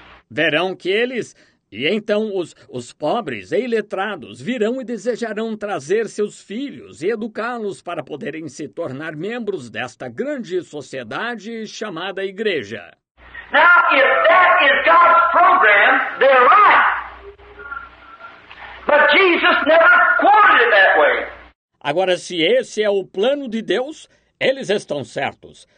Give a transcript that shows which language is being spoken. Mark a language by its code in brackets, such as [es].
[pt] Verão que eles, e então os pobres e iletrados, virão e desejarão trazer seus filhos e educá-los para poderem se tornar membros desta grande sociedade chamada Igreja. [en] Now, if that is God's program, they're right. But Jesus never quoted it that way. [pt] Agora, se esse é o plano de Deus, eles estão certos.